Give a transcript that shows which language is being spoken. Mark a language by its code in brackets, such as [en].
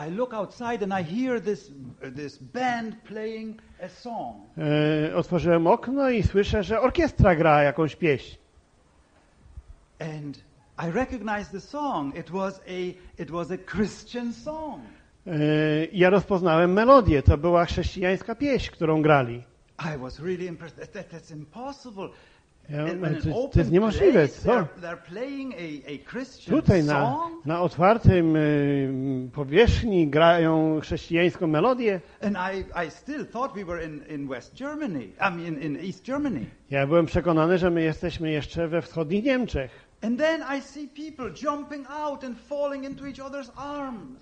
[en] I look outside and I hear this band playing a song. [pl] Otworzyłem okno i słyszę, że orkiestra gra jakąś pieśń. [en] And I recognized the song. It was a Christian song. [pl] Ja rozpoznałem melodię. To była chrześcijańska pieśń, którą grali. [en] I was really impressed. That's impossible. [pl] To jest niemożliwe. Co? [en] They're playing a Christian song. [pl] Tutaj na otwartym powierzchni grają chrześcijańską melodię. [en] And I still thought we were in West Germany. I mean in East Germany. [pl] Ja byłem przekonany, że my jesteśmy jeszcze we wschodnich Niemczech. [en] And then I see people jumping out and falling into each other's arms.